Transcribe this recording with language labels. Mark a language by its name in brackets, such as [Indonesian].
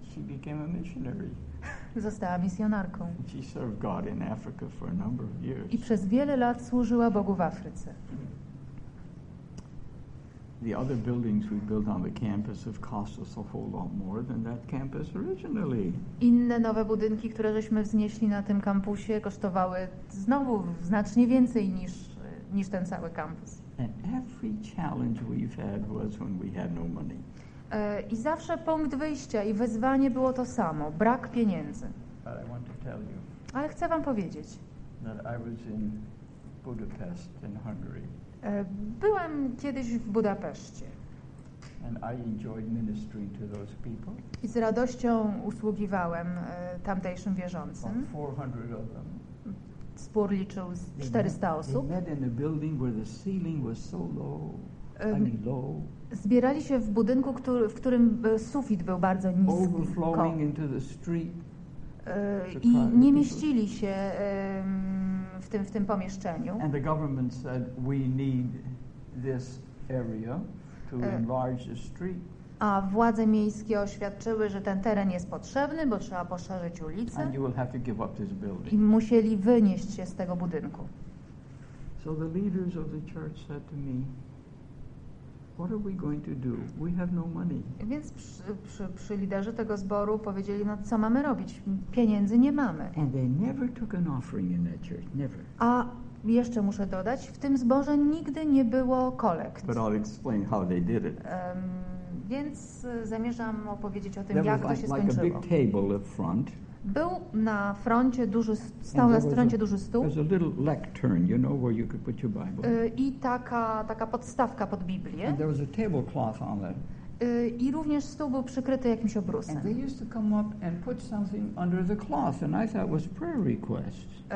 [English] She became a missionary. [Polish] Została misjonarką. [English] She served God in Africa for a number of years. [Polish] I przez wiele lat służyła Bogu w Afryce. [English] The other buildings we built on the campus have cost us a whole lot more than that campus originally. [Polish] Inne nowe budynki, które żeśmy wznieśli na tym kampusie, kosztowały znowu znacznie więcej niż ten cały kampus. [English] And every challenge we've had was when we had no money. [Polish] I zawsze punkt wyjścia i wyzwanie było to samo, brak pieniędzy. [English] But I want to tell you, [Polish] ale chcę wam powiedzieć, [English] that I was in Budapest in Hungary. [Polish] Byłem kiedyś w Budapeszcie. [English] And I enjoyed ministering to those people. [Polish] I z radością usługiwałem tamtejszym wierzącym. [English] About 400 of them. [Polish] Spór liczył z 400 osób. [English] They met in a building where the ceiling was so low. Low. [Polish] Zbierali się w budynku, w którym sufit był bardzo niski. [English] Into the street, [Polish] I nie mieścili się w tym pomieszczeniu. [English] And the government said we need this area to enlarge the street. [Polish] A władze miejskie oświadczyły, że ten teren jest potrzebny, bo trzeba poszerzyć ulicę. [English] And you will have to give up this building. [Polish] I musieli wynieść się z tego budynku. [English] So the leaders of the church said to me, what are we going to do? We have no money. [Polish] Więc przy liderzy tego zboru powiedzieli, no co mamy robić? Pieniędzy nie mamy. [English] And they never took an offering in that church, never. [Polish] A jeszcze muszę dodać, w tym zborze nigdy nie było kolekt. [English] But I'll explain how they did it. [Polish] Więc zamierzam opowiedzieć o tym, [English] there [Polish] jak to się skończyło. [English] A big table up front. [Polish] Był na froncie duży, stał na froncie duży stół. [English] Lectern, you know, where you could put your Bible. [Polish] I taka podstawka pod Biblię. [English] And there was a tablecloth on that. [Polish] I również stół był przykryty jakimś obrusem. [English] And they used to come up and put something under the cloth, and I thought it was prayer request.